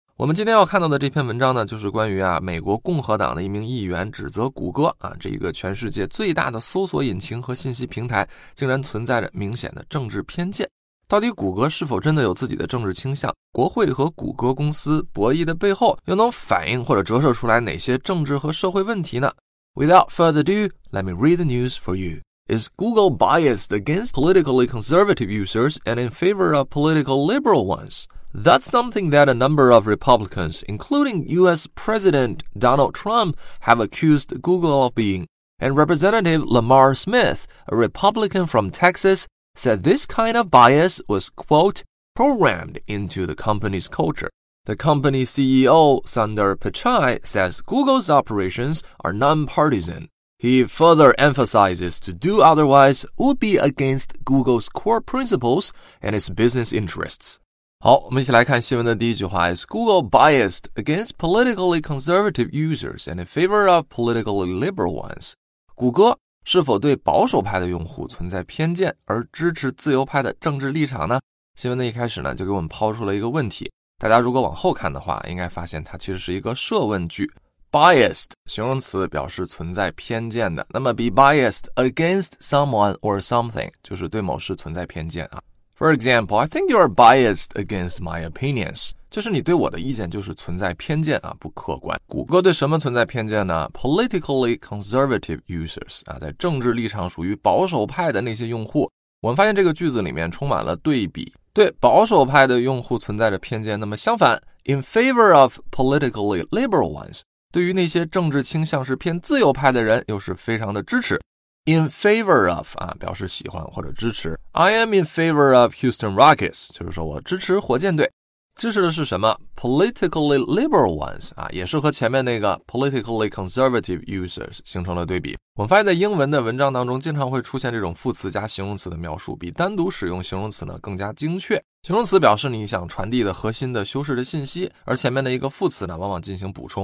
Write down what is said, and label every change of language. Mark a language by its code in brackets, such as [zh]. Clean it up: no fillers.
[zh] 我们今天要看到的这篇文章呢，就是关于啊美国共和党的一名议员指责谷歌啊，这一个全世界最大的搜索引擎和信息平台，竟然存在着明显的政治偏见。到底谷歌是否真的有自己的政治倾向？国会和谷歌公司博弈的背后，又能反映或者折射出来哪些政治和社会问题呢？ [en] Without further ado, let me read the news for you. Is Google biased against politically conservative users and in favor of political liberal ones? That's something that a number of Republicans, including U.S. President Donald Trump, have accused Google of being. And Representative Lamar Smith, a Republican from Texas, said this kind of bias was, quote, programmed into the company's culture. The company CEO, Sundar Pichai, says Google's operations are nonpartisan. He further emphasizes to do otherwise would be against Google's core principles and its business interests. [zh] 好，我们一起来看新闻的第一句话 [en] ,Is Google biased against politically conservative users and in favor of politically liberal ones? [zh] 谷歌是否对保守派的用户存在偏见而支持自由派的政治立场呢？新闻的一开始呢，就给我们抛出了一个问题。大家如果往后看的话，应该发现它其实是一个设问句。 Biased, 形容词表示存在偏见的。那么 [en] be biased against someone or something, [zh] 就是对某事存在偏见啊。 [en] For example, I think you are biased against my opinions. [zh] 就是你对我的意见就是存在偏见啊，不客观。谷歌对什么存在偏见呢？ [en] Politically conservative users, [zh] 啊，在政治立场属于保守派的那些用户。我们发现这个句子里面充满了对比。对保守派的用户存在着偏见，那么相反， [en] in favor of politically liberal ones, [zh] 对于那些政治倾向是偏自由派的人又是非常的支持。 [en] In favor of, [zh] 啊，表示喜欢或者支持。 [en] I am in favor of Houston Rockets, [zh] 就是说我支持火箭队。支持的是什么？ [en] Politically liberal ones, [zh] 啊，也是和前面那个 [en] politically conservative users [zh] 形成了对比。我们发现在英文的文章当中经常会出现这种副词加形容词的描述，比单独使用形容词呢更加精确。形容词表示你想传递的核心的修饰的信息，而前面的一个副词呢往往进行补充。